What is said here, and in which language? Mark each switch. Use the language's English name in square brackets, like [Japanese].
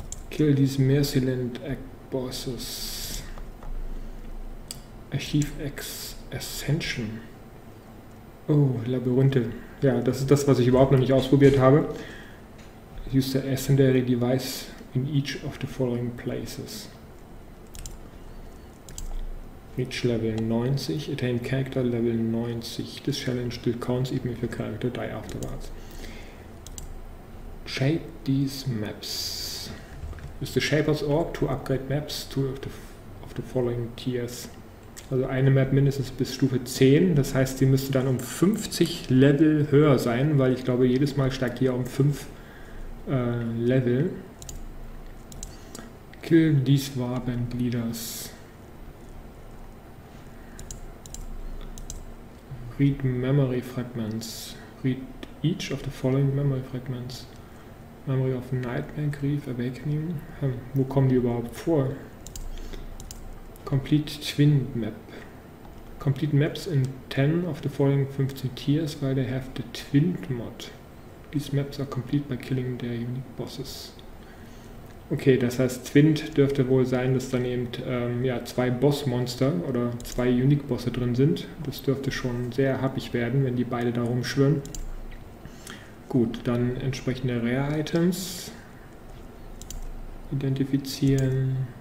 [English] Kill these Merciland Egg Bosses. Archive Ex Ascension. Oh, Labyrinthe. [German] Ja, das ist das, was ich überhaupt noch nicht ausprobiert habe. [English] Use the Ascendary Device in each of the following places. Reach Level 90. Attain Character Level 90. This challenge still counts even if your character die afterwards. Shape these maps. Use the Shaper's Orb to upgrade maps to of the following tiers. [German] Also eine Map mindestens bis Stufe 10. Das heißt, die müsste dann um 50 Level höher sein, weil ich glaube, jedes Mal steigt die ja um 5 Level. [English] Kill these Warband Leaders. Read Memory Fragments. Read each of the following Memory Fragments. Memory of Nightmare Grief Awakening. [German] Wo kommen die überhaupt vor? [English] Complete Twin Map. Complete Maps in 10 of the following 15 Tiers, while they have the Twin Mod. These Maps are complete by killing their unique bosses. [German] Okay, das heißt, Twin dürfte wohl sein, dass dann eben ja, zwei Boss-Monster oder zwei Unique-Bosse drin sind. Das dürfte schon sehr happig werden, wenn die beide da rumschwirren. Gut, dann entsprechende Rare-Items identifizieren.